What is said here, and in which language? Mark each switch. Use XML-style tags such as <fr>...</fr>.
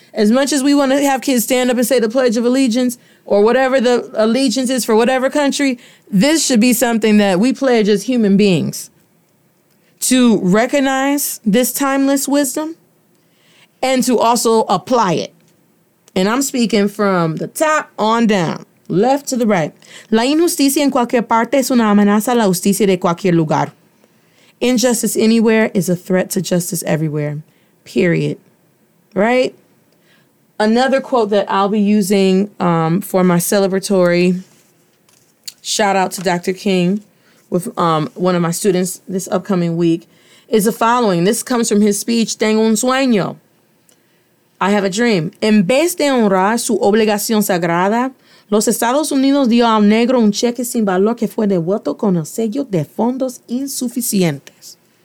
<en>As much as we want to have kids stand up and say the Pledge of Allegiance or whatever the allegiance is for whatever country, this should be something that we pledge as human beings. To recognize this timeless wisdom and to also apply it. And I'm speaking from the top on down, left to the right.</en> <es>La injusticia en cualquier parte es una amenaza a la justicia de cualquier lugar.</es> <en>Injustice anywhere is a threat to justice everywhere, period. Right? Another quote that I'll be using for my celebratory shout out to Dr. King with one of my students this upcoming week is the following. This comes from his speech, Tengo un sueño. I have a dream.</en> <es>En vez de honrar su obligación sagrada, los Estados Unidos dio al negro un cheque sin valor que fue devuelto con el sello de fondos insuficientes.</es>